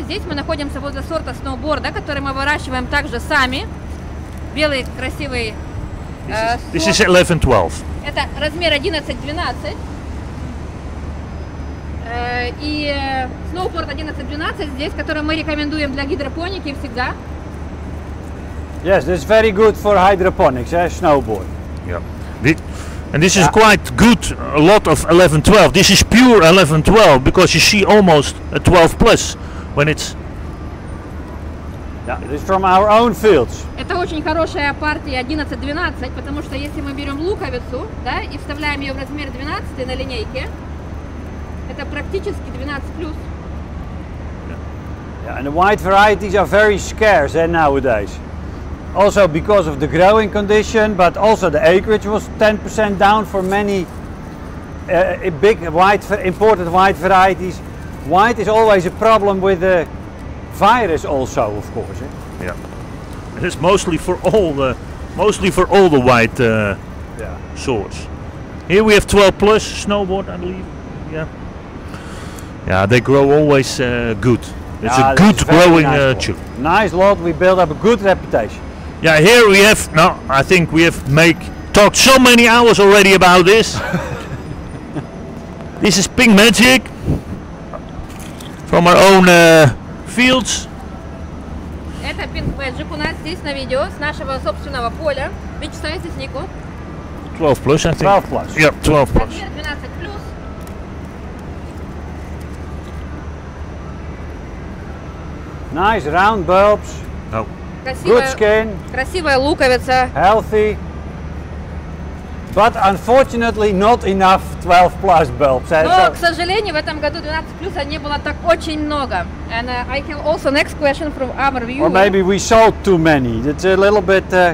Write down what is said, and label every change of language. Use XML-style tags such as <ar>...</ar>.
<ru>Здесь мы находимся возле сорта сноуборда, который мы выращиваем также сами. Белый красивый сорт.</ru> <en>This is 11-12.</en> <ru>Это размер 11-12. И сноуборд 11-12 здесь, который мы рекомендуем для гидропоники всегда.</ru> <en>Yes, this is very good for hydroponics, snowboard. Yeah. And this is quite good, a lot of 11-12. This is pure 11-12 because you see almost a 12 plus when it's... Yeah, it is from our own fields.</en> <ru>Это очень хорошая партия 11-12, потому что если мы берем луковицу, да, и вставляем ее в размер 12 на линейке, это практически 12 плюс.</ru> <en>Yeah, and the white varieties are very scarce nowadays. Also because of the growing condition, but also the acreage was 10% down for many big white important white varieties. White is always a problem with the virus also, of course. Eh? Yeah, it's mostly for all the white sorts. Here we have 12 plus snowboard, I believe. Yeah. Yeah, they grow always good. It's a good growing tree. Nice lot. We build up a good reputation. Yeah, here we have, no, I think we have talked so many hours already about this. This is Pink Magic from our own fields.</en> <ru>Это Pink Magic у нас здесь на видео с нашего собственного поля. Вы читаете с Нико?</ru> <en>12 plus, I think. 12 plus. Yeah, 12 plus. 12 plus. Nice round bulbs. Good skin.</en> <ru>Красивая луковица.</ru> <en>Healthy. But unfortunately not enough 12 plus bulbs.</en> <ru>Но, к сожалению, в этом году 12 плюс не было так очень много.</ru> <en>And I have also next question from our viewer. Or maybe we sold too many. It's a little bit</en>